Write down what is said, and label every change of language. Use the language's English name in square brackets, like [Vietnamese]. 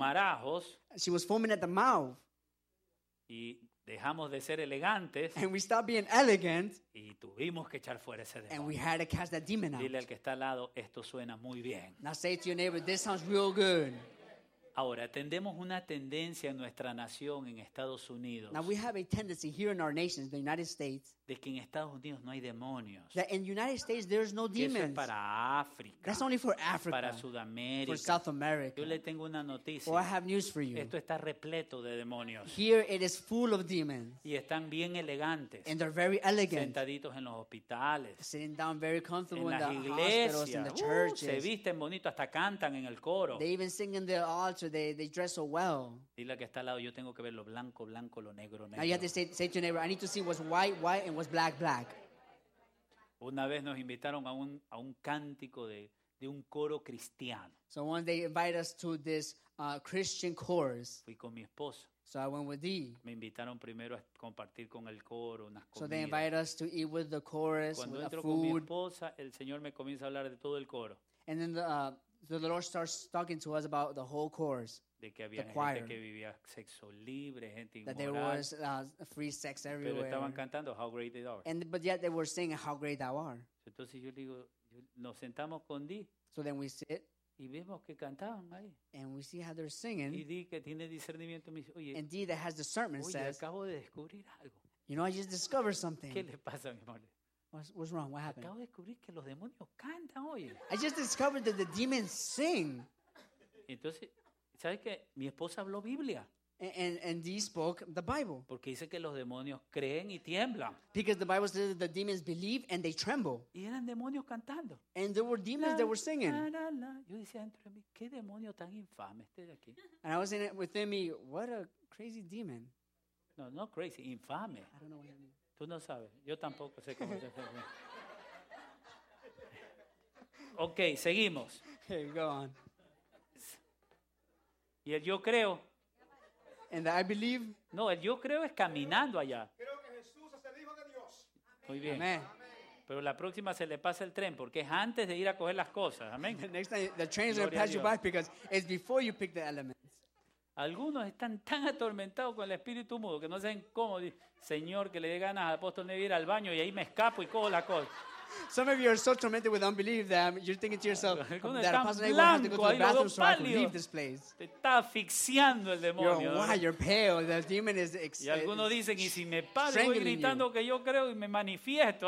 [English] Marajos. She was foaming at the mouth. [Spanish] Y dejamos de ser elegantes. [English] And we stopped being elegant. [Spanish] Y tuvimos que echar fuera ese demonio. [English] And we had to cast that demon out. [Spanish] Dile al que está al lado, esto suena muy bien. [English] Now say to your neighbor, this sounds real good. [Spanish] Ahora, tendemos una tendencia en nuestra nación, en Estados Unidos. [English] Now we have a tendency here in our nation, the United States. [Spanish] De que en Estados Unidos no hay demonios. [English] That in the United States there's no demons. [Spanish] Eso es para África. [English] That's only for Africa. [Spanish] Para Sudamérica. [English] For South America. [Spanish] Yo le tengo una noticia. [English] Well, I have news for you. [Spanish] Esto está repleto de demonios. [English] Here it is full of demons. [Spanish] Y están bien elegantes. [English] And they're very elegant. [Spanish] Sentaditos en los hospitales. [English] Sitting down very comfortable [Spanish] en [English] in the [Spanish] iglesias. [English] Hospitals, in the churches. [Spanish] Se visten bonito, hasta cantan en el coro. [English] They even sing in the altar. They dress so well. [Spanish] Dile que está al lado, yo tengo que ver lo blanco, blanco, lo negro, negro. [English] Now you have to say to your neighbor, I need to see what's white, white, and was black, black. [Spanish] Una vez nos invitaron a un cántico de un coro cristiano. [English] So once they invite us to this Christian chorus. [Spanish] Fui con mi esposo. [English] So I went with Dee. [Spanish] Me invitaron primero a compartir con el coro unas comidas. [English] So they invite us to eat with the chorus. [Spanish] Cuando [English] with [Spanish] entro [English] the food. [Spanish] Con mi esposa, el Señor me comienza a hablar de todo el coro. [English] And then the Lord starts talking to us about the whole chorus. [Spanish] De que había gente [English] choir, [Spanish] que vivía sexo libre, gente inmoral. [English] That there was free sex everywhere. [Spanish] Pero estaban cantando How Great Thou Art. [English] And but yet they were singing How Great Thou Art. [Spanish] Entonces yo digo, nos sentamos con Di. [English] So then we sit. [Spanish] Y vemos que cantaban ahí. [English] And we see how they're singing. [Spanish] Y Di que tiene discernimiento, me dice, oye. [English] And Di that has discernment [Spanish] oye, [English] says. [Spanish] Oye, acabo de descubrir algo. [English] You know, I just discovered something. [Spanish] ¿Qué le pasa, mi amor? [English] What's wrong? What happened? [Spanish] Acabo de descubrir que los demonios cantan, oye. [English] I just discovered that the demons sing. [Spanish] Entonces. ¿Sabes qué? Mi esposa habló Biblia. [English] And Dee spoke the Bible. [Spanish] Porque dice que los demonios creen y tiemblan. [English] Because the Bible says that the demons believe and they tremble. [Spanish] Y eran demonios cantando. [English] And there were demons that were singing. La, la, la. [Spanish] Yo decía dentro de mí, ¿qué demonio tan infame este de aquí? [English] And I was in it within me, what a crazy demon. [Spanish] No, no crazy, infame. [English] I don't know what I mean. [Spanish] Tú no sabes. Yo tampoco sé cómo se llama. Okay, seguimos. [English] Okay, go on. [Spanish] Y el yo creo. [English] And I believe. [Spanish] No, el yo creo es caminando allá. Creo que Jesús es el hijo de Dios. Muy bien. Amén. Pero la próxima se le pasa el tren porque es antes de ir a coger las cosas. Amén. [English] The next time the train is going to pass you by because it's before you pick the elements. [Spanish] Algunos están tan atormentados con el espíritu mudo que no saben cómo. Señor, que le dé ganas al apóstol de ir al baño y ahí me escapo y cojo la cosa. [English] Some of you are so tormented with unbelief that you're thinking to yourself that Pastor Nate has to go to the bathroom so I can leave this place. [Spanish] Te está asfixiando el demonio. [English] You're pale. The demon is [Spanish] Y algunos dicen, y si me paro y gritando que yo creo y me manifiesto.